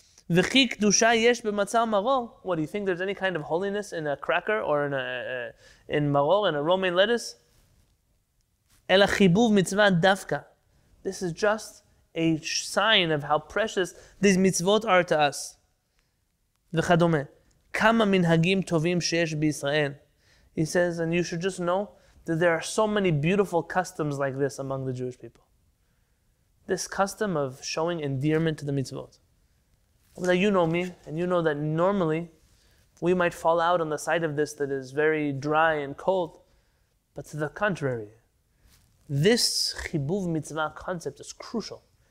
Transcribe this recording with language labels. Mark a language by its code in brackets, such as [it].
[he] וכי קדושה יש במצה ומרור. [en] What, do you think there's any kind of holiness in a cracker or in maror, in a romaine lettuce? [he] אלא חיבוב מצווה דווקא. [en] This is just a sign of how precious these mitzvot are to us. [he] וכדומה. כמה מנהגים טובים שיש בישראל. [en] He says, and you should just know that there are so many beautiful customs like this among the Jewish people. This custom of showing endearment to the mitzvot. Now you know me, and you know that normally we might fall out on the side of this that is very dry and cold, but to the contrary, this chibuv mitzvah concept is crucial.